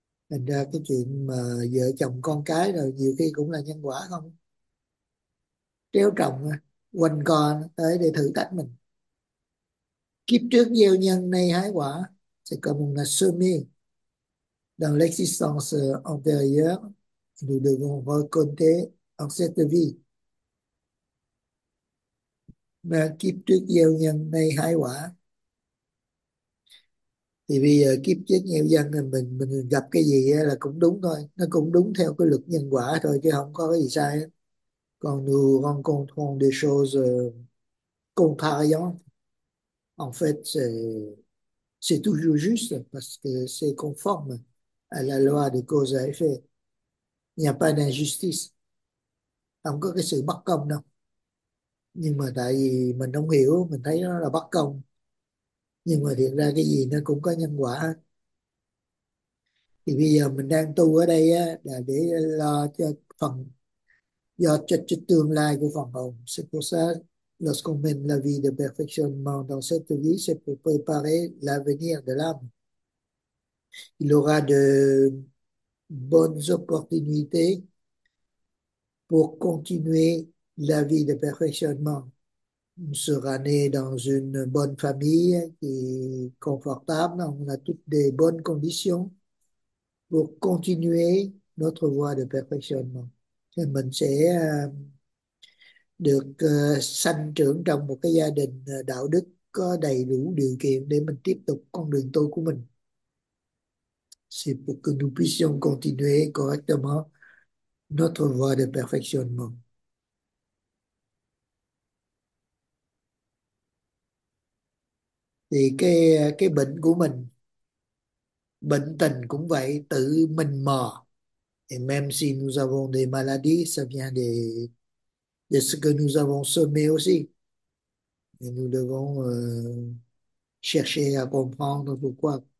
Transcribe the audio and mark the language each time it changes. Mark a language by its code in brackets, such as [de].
[vi] Thành ra cái chuyện mà vợ chồng con cái rồi nhiều khi cũng là nhân quả không? Tréo trồng, quanh co tới để thử thách mình. Kiếp trước gieo nhân, nay hái quả. [fr] C'est comme on a semé dans l'existence antérieure, nous devons récolter en cette vie. Mais [vi] kiếp trước gieo nhân, nay hái quả. Thì bây giờ kiếp trước gieo nhân thì mình gặp cái gì là cũng đúng thôi, nó cũng đúng theo cái luật nhân quả thôi chứ không có cái gì sai hết. Còn [fr] nous rencontrons des choses contrariantes. En fait, c'est toujours juste parce que c'est conforme à la loi des causes à effet. Il n'y a pas d'injustice. [vi] Không có cái sự bất công đâu. Nhưng mà tại vì mình không hiểu, mình thấy nó là bất công. Nhưng mà thiệt ra cái gì nó cũng có nhân quả. Thì bây giờ mình đang tu ở đây á, là để lo cho phần do cho tương lai của phần hồn. [fr] C'est pour ça, lorsqu'on mène la vie de perfectionnement dans cette vie, c'est pour préparer l'avenir de l'âme. Il aura de bonnes opportunités pour continuer la vie de perfectionnement. On sera né dans une bonne famille qui est confortable. On a toutes des bonnes conditions pour continuer notre voie de perfectionnement. Et [vi] mình sẽ được sanh trưởng trong một cái gia đình đạo đức có đầy đủ điều kiện để mình tiếp tục con đường tu của mình. [fr] C'est pour que nous puissions continuer correctement notre voie de perfectionnement. [vi] Thì cái bệnh của mình, bệnh tình cũng vậy, tự mình mò. [fr] Et même si nous avons des maladies, ça vient de ce que nous avons semé aussi. Et nous devons chercher à comprendre pourquoi.